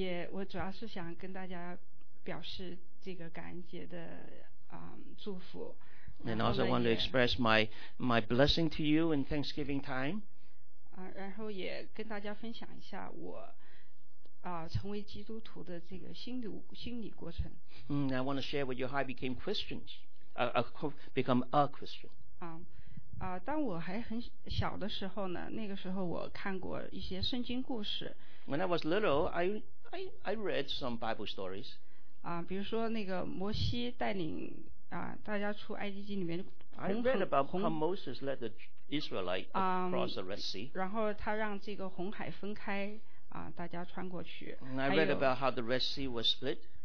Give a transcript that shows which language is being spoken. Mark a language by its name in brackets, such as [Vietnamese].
[Chinese] 我主要是想跟大家表示这个感恩节的祝福。 [English] And also want to express my blessing to you in Thanksgiving time. [Chinese] 然后也跟大家分享一下我。成为基督徒的这个心理过程。 [English] I want to share with you how I became Christians, become a Christian. [Chinese] 当我还很小的时候呢，那个时候我看过一些圣经故事。 [English] When I was little, I read some Bible stories. [Chinese] 比如说那个摩西带领大家出埃及记里面。 [English] I read about how Moses led the Israelites across the Red Sea. [Chinese] 然后他让这个红海分开。大家穿过去。 [English] And I read about how the Red Sea was split.